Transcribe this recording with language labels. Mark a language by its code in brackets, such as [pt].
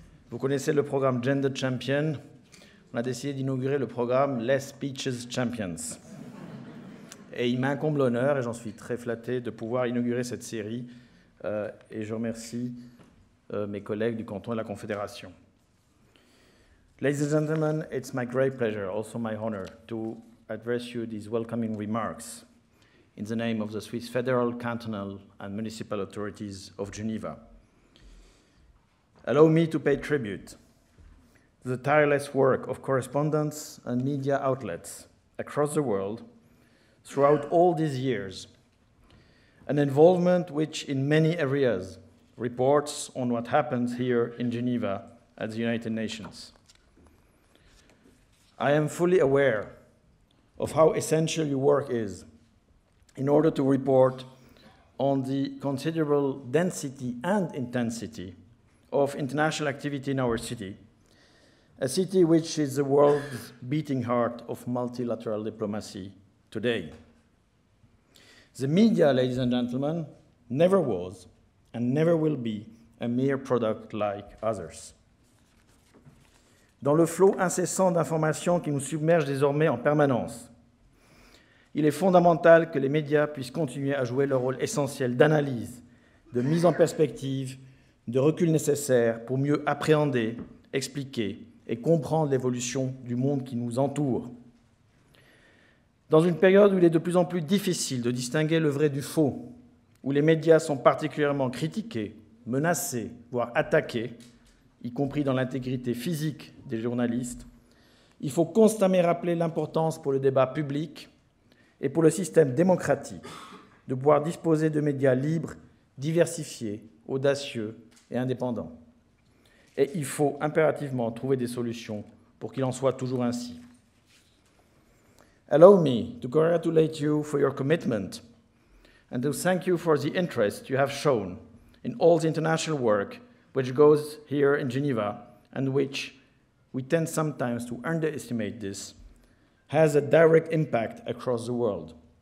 [fr] Vous connaissez le programme Gender Champion. On a décidé d'inaugurer le programme Les Speeches Champions. Et il m'incombe l'honneur, et j'en suis très flatté, de pouvoir inaugurer cette série. Et je remercie mes collègues du canton et de la Confédération. [en] Ladies and gentlemen, it's my great pleasure, also my honor, to address you these welcoming remarks in the name of the Swiss federal, cantonal, and municipal authorities of Geneva. Allow me to pay tribute to the tireless work of correspondents and media outlets across the world throughout all these years, an involvement which in many areas reports on what happens here in Geneva at the United Nations. I am fully aware of how essential your work is in order to report on the considerable density and intensity of international activity in our city, a city which is the world's beating heart of multilateral diplomacy today. The media, ladies and gentlemen, never was and never will be a mere product like others. [fr] Dans le flot incessant d'informations qui nous submerge désormais en permanence, il est fondamental que les médias puissent continuer à jouer leur rôle essentiel d'analyse, de mise en perspective, de recul nécessaire pour mieux appréhender, expliquer et comprendre l'évolution du monde qui nous entoure. Dans une période où il est de plus en plus difficile de distinguer le vrai du faux, où les médias sont particulièrement critiqués, menacés, voire attaqués, y compris dans l'intégrité physique des journalistes, il faut constamment rappeler l'importance pour le débat public et pour le système démocratique de pouvoir disposer de médias libres, diversifiés, audacieux et indépendants. Et il faut impérativement trouver des solutions pour qu'il en soit toujours ainsi. [en] Allow me to congratulate you for your commitment and to thank you for the interest you have shown in all the international work which goes here in Geneva, and which we tend sometimes to underestimate this, has a direct impact across the world.